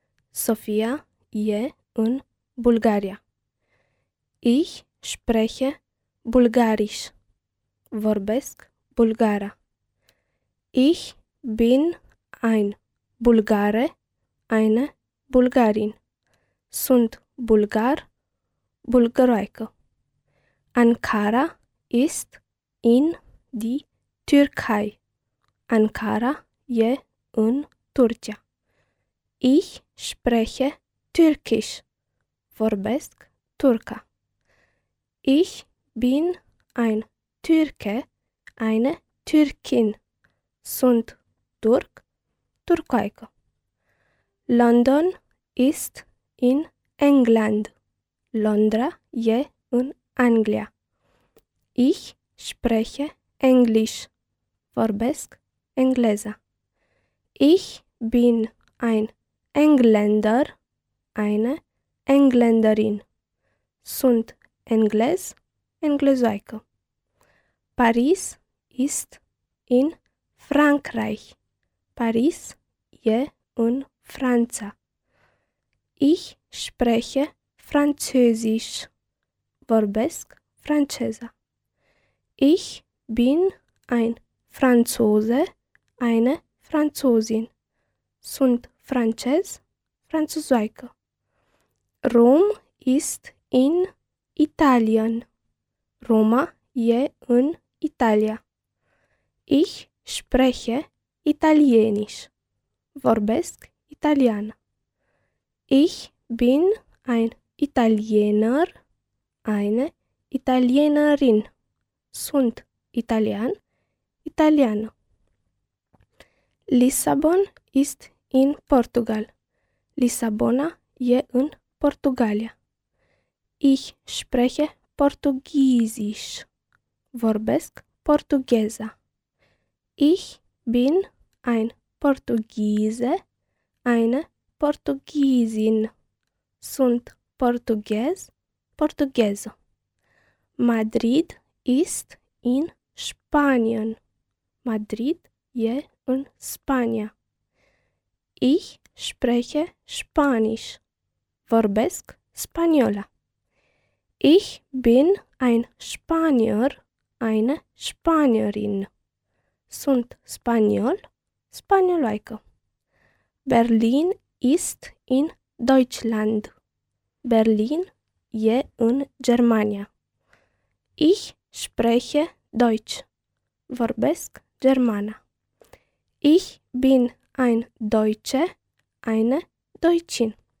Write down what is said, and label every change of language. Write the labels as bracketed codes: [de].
[ro] Sofia e în Bulgaria. [de] Ich spreche bulgarisch. [ro] Vorbesc bulgara. [de] Ich bin ein Bulgare, eine Bulgarin. [ro] Sunt bulgar, bulgaroică. [de] Ankara ist in die Türkei. [ro] Ankara e în Turcia. [de] Ich spreche türkisch. [ro] Vorbesc turca. [de] Ich bin ein Türke, eine Türkin. [ro] Sunt turc, turcoaică. [de] London ist in England. [ro] Londra e în Anglia. [de] Ich spreche Englisch. [ro] Vorbesc engleză. [de] Ich bin ein Engländer, eine Engländerin. [ro] Sunt englez, englezoică. [de] Paris ist in Frankreich. [ro] Paris e în Franța. [de] Ich spreche Französisch. [ro] Vorbesc franceză. [de] Ich bin ein Franzose, eine Franzosin. [ro] Sunt francez, franzuzoică. [de] Rom ist in Italien. [ro] Roma e în Italia. [de] Ich spreche Italienisch. [ro] Vorbesc italiană. [de] Ich bin ein Italiener, eine Italienerin. [ro] Sunt italian, italiană. [de] Lissabon ist in Portugal. [ro] Lissabona e în Portugalia. [de] Ich spreche Portugiesisch. [ro] Vorbesc portugheza. [de] Ich bin ein Portugiese, eine Portugiesin. [ro] Sunt portughez, portugheză. [de] Madrid ist in Spanien. [ro] Madrid e în Spania. [de] Ich spreche Spanisch. [ro] Vorbesc spaniola. [de] Ich bin ein Spanier, eine Spanierin. [ro] Sunt spaniol, spanioloică. [de] Berlin ist in Deutschland. [ro] Berlin e în Germania. [de] Ich spreche Deutsch. [ro] Vorbesc germana. [de] Ich bin ein Deutsche, eine Deutschin.